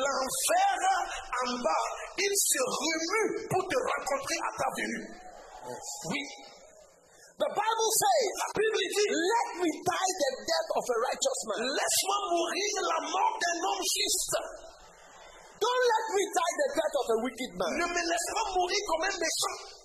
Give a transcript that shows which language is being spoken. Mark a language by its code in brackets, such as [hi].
[fr] L'enfer en bas, il se remue pour te rencontrer à ta venue. [en] Yes. [fr] Oui. [en] The Bible says, [fr] la Bible dit, [en] let me die the death of a righteous man. [fr] Laisse-moi mourir la mort d'un homme juste. [en] Don't let me die the death of a wicked man. [fr] Ne me laisse-moi mourir comme un méchant.